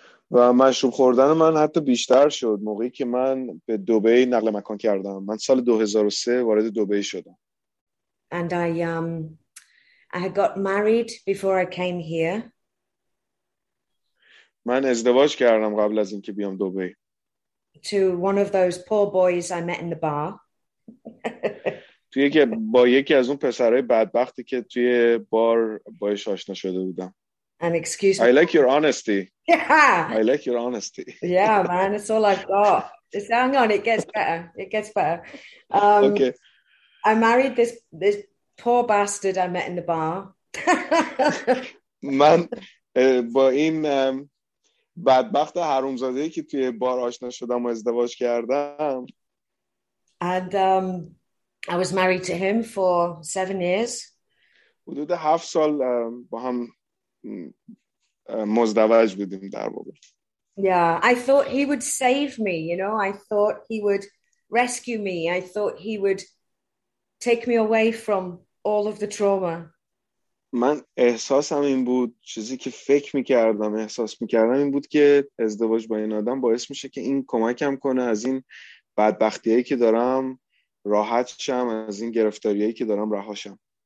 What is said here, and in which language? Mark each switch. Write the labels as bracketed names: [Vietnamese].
[Persian] و مشروب خوردن من حتی بیشتر شد موقعی که من به دبی نقل مکان کردم. من سال 2003 وارد دبی شدم. [English] And I had got married before I came here. [Persian] من ازدواج کردم قبل از اینکه بیام دبی. [English] To one of those poor boys I met in the bar. [Persian] تو یکی با یکی از اون پسرای بدبختی که توی بار باهاش آشنا شده بودم. [English] And excuse me. I like your honesty. Yeah. I like your honesty. Yeah, man, it's all I've got. Just hang on, it gets better. It gets better. Okay. I married this poor bastard I met in the bar. [Persian] من با این بدبخت حرومزاده‌ای که توی بار آشنا شدم و ازدواج کردم. [English] And I was married to him for 7 years. [Persian] حدود 7 سال با هم مزدوج بودیم در واقع. [English] Yeah, I thought he would save me, you know. I thought he would rescue me. I thought he would take me away from all of the trauma. [Persian] من احساسم این بود، چیزی که فکر میکردم احساس میکردم این بود که ازدواج با این آدم باعث میشه که این کمکم کنه از این بدبختیهایی که دارم راحت شم، از این گرفتاریهایی که دارم رها شم.